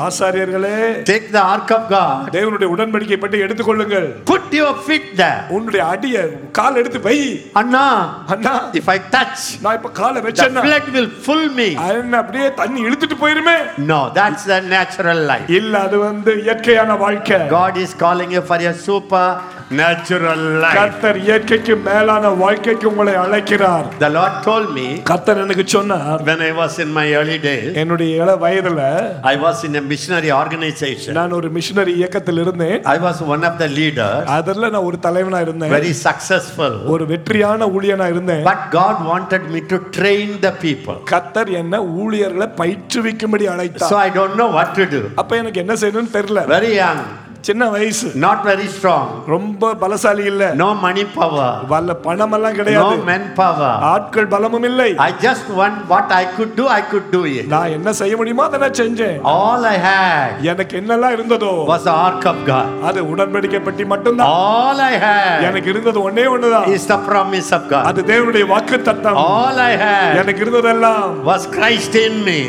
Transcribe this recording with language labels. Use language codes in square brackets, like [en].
[ta] ஆசாரியர்களே [en] take the ark of god [ta] தேவனுடைய உடன்படிக்கை பெட்டியை எடுத்துக்கொள்ளுங்கள் [en] put your feet there [ta] உன்னுடைய அடியை கால் எடுத்து வை அண்ணா [en] if I touch [ta] நான் இப்ப காலை வெச்சனா [en] the flood will fill me [ta] அண்ணா அப்படியே தண்ணி இழுத்துட்டு போயிருமே [en] no that's the natural life [ta] இல்ல அது வந்து இயற்கையான வாழ்க்கை [en] God is calling you for a super natural life [ta] கர்த்தர் இயற்கைக்கு மேலான வாழ்க்கைக்கு உங்களை அழைக்கிறார் [en] The Lord told me [ta] கர்த்தர் எனக்கு சொன்னார் [en] when I was in my early days [ta] என்னுடைய இள வயதுல [en] I was in a missionary organization [ta] நான் ஒரு மிஷனரி இயக்கத்தில் இருந்தேன் [en] I was one of the leaders [ta] அதல்ல நான் ஒரு தலைவனா இருந்தேன் [en] very successful [ta] ஒரு வெற்றியான ஊழியனா இருந்தேன் [en] but God wanted me to train the people [ta] கர்த்தர் என்ன ஊழியர்களை பயிற்றுவிக்கும்படி அழைத்தார் [en] so I don't know what to do [ta] அப்ப எனக்கு என்ன செய்யணும் தெரியல [en] very young [ta] சின்ன வயசு. [en] Not very strong. [ta] ரொம்ப பலசாலி இல்ல. [en] No money power. [ta] வல்ல பணம் எல்லாம் கிடையாது. [en] No man power. [ta] ஆட்கள் பலமும் இல்லை. [en] I just want what I could do, I could do it. [ta] நான் என்ன செய்ய முடியுமோ அதை நான் செஞ்சேன். [en] All I had. [ta] எனக்கு என்னெல்லாம் இருந்ததோ. [en] Was the ark of God. [ta] அது உடன்படிக்கை பெட்டி மட்டும்தான். [en] All I had. [ta] எனக்கு இருந்தது ஒண்ணே ஒண்ணுதான். [en] Is the promise of God. [ta] அது தேவனுடைய வாக்குத்தத்தம். [en] All I had. [ta] எனக்கு இருந்ததெல்லாம். [en] Was Christ in me.